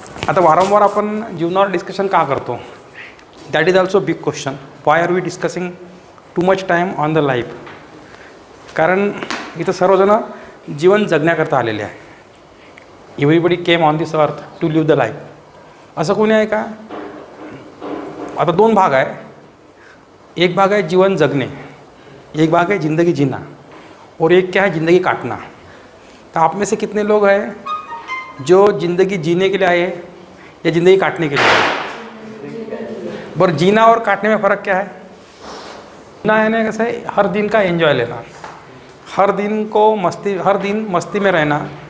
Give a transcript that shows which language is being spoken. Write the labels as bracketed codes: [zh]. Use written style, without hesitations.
[mr] आता वारंवार आपण जीवनावर डिस्कशन का करतो, [en] That is also big question. Why are we discussing too much time on the life? [mr] कारण इथं सर्वजणं जीवन जगण्याकरता आलेले आहे. [en] everybody came on this earth to live the life, [mr] असं कोणी आहे का? आता दोन भाग आहे, एक भाग आहे जीवन जगणे, एक भाग आहे [hi] जिंदगी जिना, और एक क्या है जिंदगी काटना. तो आप में से कितने लोग हैं जो जिंदगी जीने के लिए आए या जिंदगी काटने के लिए आए? पर जीना और काटने में फ़र्क क्या है? जीना है ना कैसे, हर दिन का एंजॉय लेना, हर दिन को मस्ती, हर दिन मस्ती में रहना.